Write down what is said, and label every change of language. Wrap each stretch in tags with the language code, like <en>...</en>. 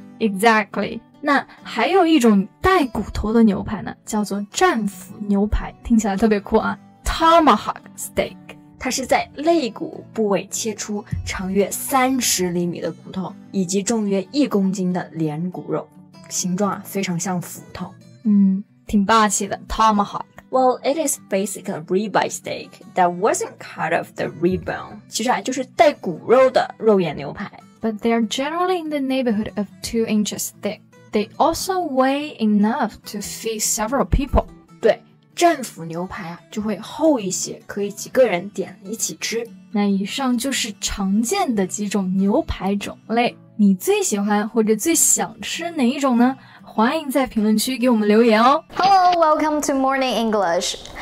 <en>Exactly。</en> <zh>那还有一种带骨头的牛排呢，叫做战斧牛排，听起来特别酷啊 ，Tomahawk steak。它是在肋骨部位切出长约30厘米的骨头，以及重约1公斤的连骨肉，形状啊非常像斧头，嗯，挺霸气的 ，tomahawk。</zh> <en>Well, it is basically a ribeye steak that wasn't cut off the rib bone。</en> <zh>其实啊，就是带骨肉的肉眼牛排。</zh> <en>But they are generally in the neighborhood of 2 inches thick. They also weigh enough to feed several people。</en> <zh>对。战斧牛排啊就会厚一些，可以几个人点一起吃。那以上就是常见的几种牛排种类，你最喜欢或者最想吃哪一种呢？欢迎在评论区给我们留言哦。</zh> <en>Hello, welcome to Morning English。</en>